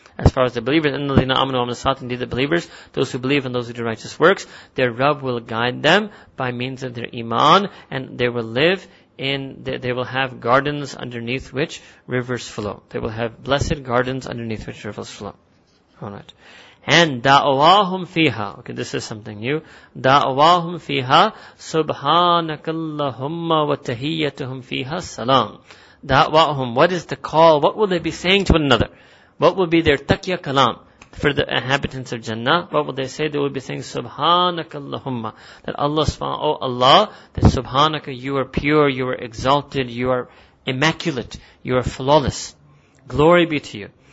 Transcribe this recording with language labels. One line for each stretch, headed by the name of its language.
English: As far as the believers,
Arabic: إِنَّ الَّذِينَ آمَنُوا وَعَمِلُوا الصَّالِحَاتِ,
English: indeed the believers, those who believe and those who do righteous works, their Rabb will guide them by means of their iman, and they will live in, they will have gardens underneath which rivers flow. They will have blessed gardens underneath which rivers flow. Alright.
Arabic: And دَعْوَاهُمْ فِيهَا.
English: Okay, this is something new.
Arabic: دَعْوَاهُمْ فِيهَا سُبْحَانَكَ اللَّهُمَّ وَتَّهِيَّتُهُمْ فِيهَا سَلَامٌ. دَعْوَاهُمْ.
English: What is the call? What will they be saying to one another? What will be their taqiyya kalam for the inhabitants of Jannah? What will they say? They will be saying, Subhanaka Allahumma. That Allah subhanahu, oh Allah, that Subhanaka, you are pure, you are exalted, you are immaculate, you are flawless. Glory be to you.